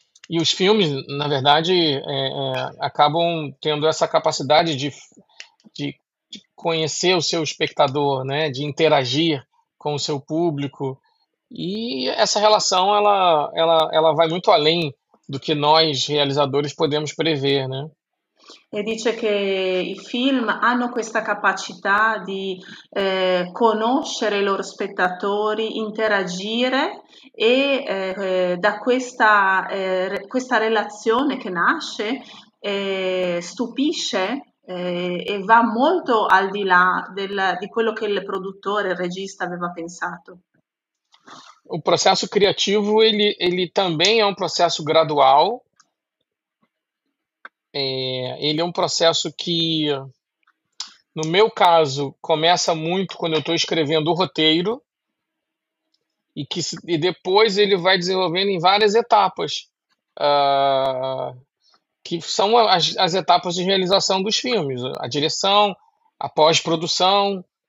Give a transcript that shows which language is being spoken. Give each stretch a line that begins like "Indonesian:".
Portuguese: E os filmes, na verdade, acabam tendo essa capacidade de conhecer o seu espectador, né? De interagir com o seu público. E essa relação ela vai muito além do que nós, realizadores, podemos prever, né?
Italian: E dice che i film hanno questa capacità di conoscere i loro spettatori, interagire e da questa relazione che nasce stupisce e va molto al di là di quello che il produttore, il regista aveva pensato.
Portuguese: O processo criativo ele também é um processo gradual. Ele é um processo que, no meu caso, começa muito quando eu estou escrevendo o roteiro e depois ele vai desenvolvendo em várias etapas, que são as etapas de realização dos filmes: a direção, a pós-produção,